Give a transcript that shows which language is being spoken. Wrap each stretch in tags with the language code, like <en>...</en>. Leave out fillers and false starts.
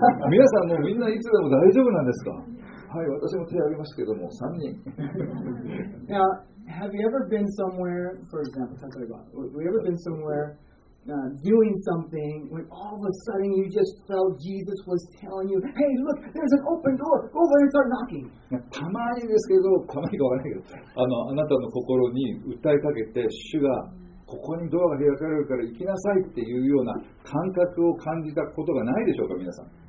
<ja>皆さんもうみんないつでも大丈夫なんですか。はい、私も手を挙げましたけども、3人。</ja> <en>Now, have you ever been somewhere, for example,</en> <ja>例えば、</ja> <en>have you ever been somewhere、doing something when all of a sudden you just felt Jesus was telling you, hey, look, there's an open door, go over and start knocking?</en> <ja>たまにですけど、たまにかわからないけど、あなたの心に訴えかけて、主がここにドアが開かれるから行きなさいっていうような感覚を感じたことがないでしょうか、皆さん。</ja>